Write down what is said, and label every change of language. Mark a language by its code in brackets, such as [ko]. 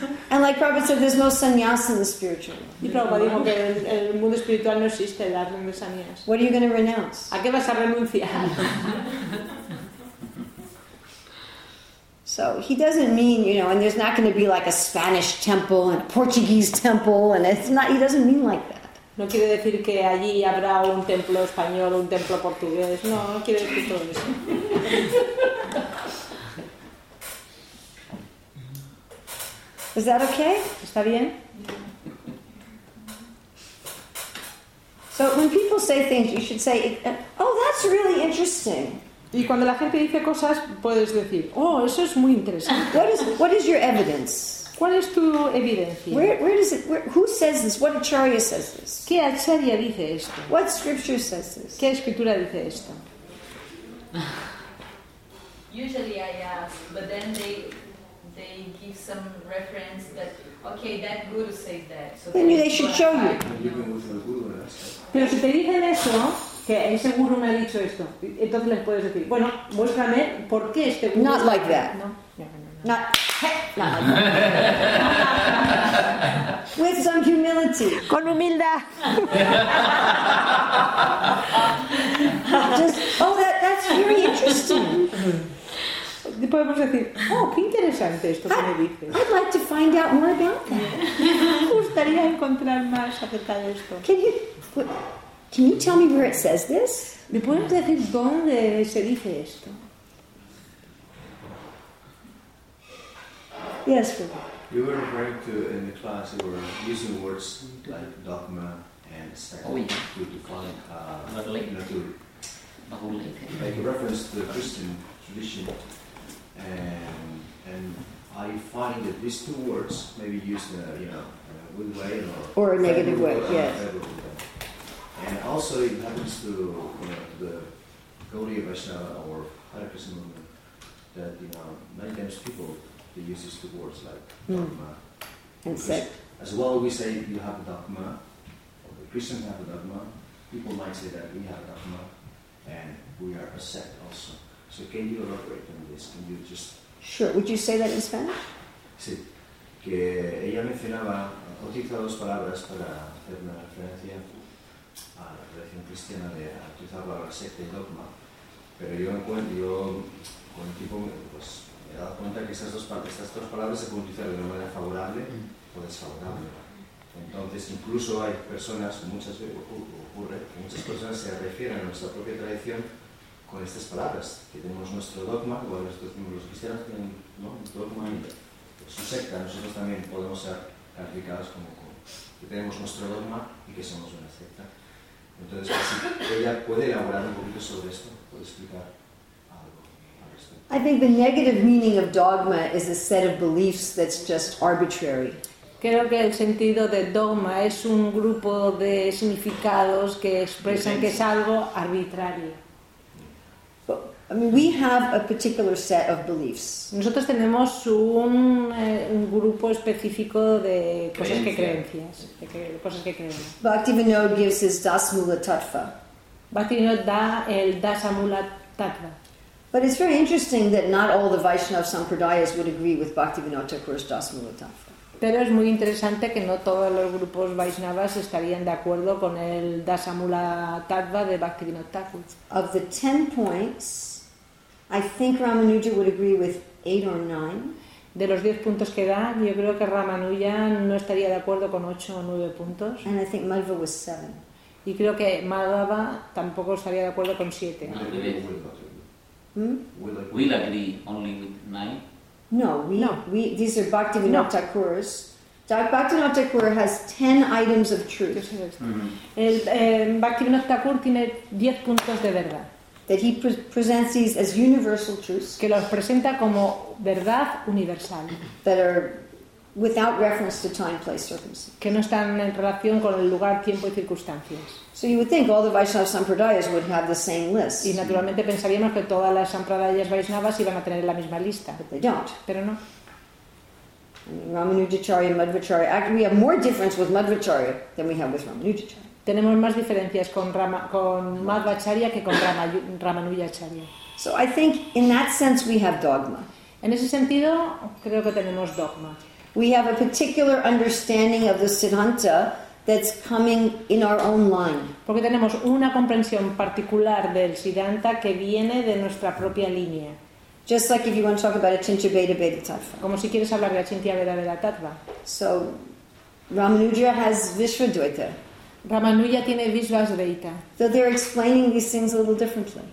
[en] And like Prabhupada said, there's no sannyas in the spiritual world. [es] Y Prabhupada dijo que el mundo espiritual no existe, el árbol de sannyas. [en] What are you going to renounce? [es] ¿A qué vas a renunciar? [en] So he doesn't mean, you know, and there's not going to be like a Spanish temple and a Portuguese temple, and it's not. He doesn't mean like that. [es] No quiere decir que allí habrá un templo español o un templo portugués. No, no quiere decir todo eso. [en] Is that okay? [es] ¿Está bien? [en] So when people say things, you should say, "Oh, that's really interesting." [es] Y cuando la gente dice cosas, puedes decir, "Oh, eso es muy interesante." [en] What is your evidence? [es] ¿Cuál es tu evidencia? [en] Who says this? What acharya says this? [es] ¿Qué acharya dice esto? [en] What scripture says this? [es] ¿Qué escritura dice esto? [en] Usually I ask, but then they give some reference that okay, that guru says that. So then they should show you. [es] Pero si te dicen eso, que ese guru me ha dicho esto, entonces les puedes decir, bueno, muéstrame por qué este guru. [en] Not like that. [es] No. [en] With some humility. [es] Con humildad. [en] Just, oh, that's very interesting. [es] Podemos decir, oh, qué interesante esto que me dices. [en] I'd like to find out more about that. [es] Me gustaría encontrar más acerca de esto. [en] Can you tell me where it says this? [es] ¿Me puedes decir dónde se dice esto? [en] Yes, Prabhupada. You were referring to in the class, you were using words like dogma and sect. Oh, yeah. You define like reference to the Christian tradition. And I find that these two words may be used in a, you know, a good way or a negative way, yes. And also it happens to, you know, to the Gaudiya Vaishnava or Hare Krishna movement that, you know, many times people they use these two words like dogma. And sect. As well we say you have a dogma, or the Christians have a dogma, people might say that we have a dogma and we are a sect also. So can you elaborate on this? Can you just... Sure. Would you say that in Spanish? [es] Sí. Que ella mencionaba, utiliza dos palabras para hacer una referencia a la tradición cristiana de utilizar la palabra secta y dogma. Pero yo con el tiempo pues, me he dado cuenta que estas dos palabras se pueden utilizar de una manera favorable o desfavorable. Entonces, incluso hay personas, muchas veces ocurre, que muchas personas se refieren a nuestra propia tradición con estas palabras, que tenemos nuestro dogma, igual los cristianos tienen, ¿no?, un dogma y su secta. Nosotros también podemos ser calificados como que tenemos nuestro dogma y que somos una secta. Entonces, pues, si ella puede elaborar un poquito sobre esto, puede explicar algo al respecto. [en] I think the negative meaning of dogma is a set of beliefs that's just arbitrary. [es] Creo que el sentido de dogma es un grupo de significados que expresan que es algo arbitrario. [en] I mean, we have a particular set of beliefs. [es] Nosotros tenemos un grupo específico de cosas que creencias, de cosas que creemos. [en] Bhaktivinoda gives his Dasmula Tattva. [es] Bhaktivinoda da el Dasamula Tattva. [en] But it's very interesting that not all the Vaishnav Sampradayas would agree with Bhaktivinoda Thakura's Dasmula Tattva. [es] Pero es muy interesante que no todos los grupos Vaishnavas estarían de acuerdo con el Dasamula Tattva de Bhaktivinoda Thakur. [en] Of the 10 points, I think Ramanuja would agree with 8 or 9. [es] De los 10 puntos que da, yo creo que Ramanuja no estaría de acuerdo con 8 o 9 puntos. [en] And I think Madhava was 7. [es] Y creo que Madhava tampoco estaría de acuerdo con 7. [en] We'll agree. Hmm? We'll agree only with 9. No, these are Bhaktivinoda Thakura's. Bhaktivinoda Thakur has 10 items of truth. [es] Bhaktivinoda Thakur tiene 10 puntos de verdad. [en] That he presents these as universal truths. [es] Que los presenta como verdad universal. [en] That are without reference to time, place, circumstance. [es] Que no están en relación con el lugar, tiempo y circunstancias. [en] So you would think all the Vaishnava Sampradayas would have the same list. [es] Y naturalmente pensaríamos que todas las Sampradayas Vaishnavas iban a tener la misma lista. [en] But they don't. [es] Pero no. [en] Ramanujacharya, Madhvacharya. Actually, we have more difference with Madhvacharya than we have with Ramanujacharya. [es] Tenemos más diferencias con Madhvacharya que con Ramanujacharya. [en] So I think in that sense we have dogma. [es] En ese sentido creo que tenemos dogma. [en] We have a particular understanding of the Siddhanta that's coming in our own line. [es] Porque tenemos una comprensión particular del Siddhanta que viene de nuestra propia línea. [en] Just like if you want to talk about Achintya Veda Veda Tattva. [es] Como si quieres hablar de Achintya Veda Veda Tattva. [en] So Ramanuja has Vishvadvaita. [es] Ramanuja tiene Visvasvaita. [en] So they're explaining these things a little differently.